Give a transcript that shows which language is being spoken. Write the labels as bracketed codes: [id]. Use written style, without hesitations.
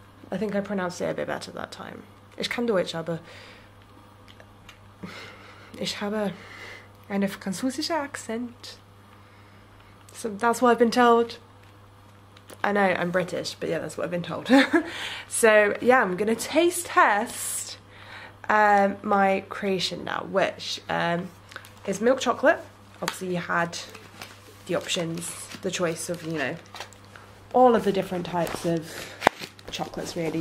[en] I think I pronounced it a bit better that time. [de] Ich kann Deutsch, aber ich habe einen französischen Akzent. [en] So that's what I've been told. I know, I'm British, but yeah, that's what I've been told. So yeah, I'm going to taste test my creation now, which is milk chocolate. Obviously you had the options, the choice of, you know, all of the different types of chocolates, really.